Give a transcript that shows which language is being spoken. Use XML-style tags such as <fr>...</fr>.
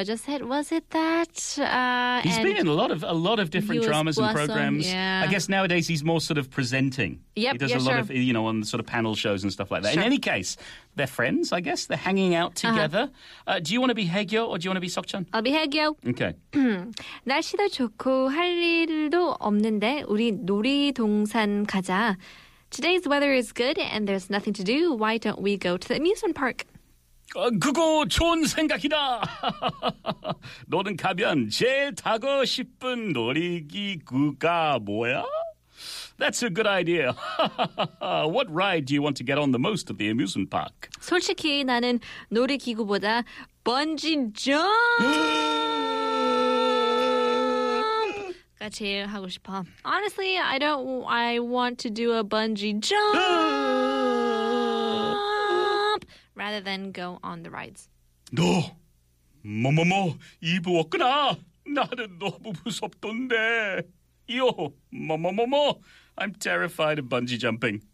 <en>I just said, was it that? He's been in a lot of different dramas and programs. Yeah. I guess nowadays he's more sort of presenting. Yep. He does a lot of, you know, on the sort of panel shows and stuff like that. Sure. In any case, they're friends, I guess. They're hanging out together. Uh-huh. Do you want to be Haegyo or do you want to be Sokchan? I'll be Haegyo. Okay.</en> <ko>날씨도 좋고 할 일도 없는데 우리 놀이동산 가자.</ko> <en>Today's weather is good and there's nothing to do. Why don't we go to the amusement park?</en> <ko>그거 좋은 생각이다. 너는 가면 제일 타고 싶은 놀이기구가 뭐야?</ko> <en>That's a good idea. What ride do you want to get on the most at the amusement park?</en> <ko>솔직히 나는 놀이기구보다 번지 점프가 제일 하고 싶어.</ko> <en>Honestly, I want to do a bungee jump rather than go on the rides.</en> <ko>너, 뭐, 이 부었구나. 나는 너무 무섭던데. 요, 뭐,</ko> <en>I'm terrified of bungee jumping.</en>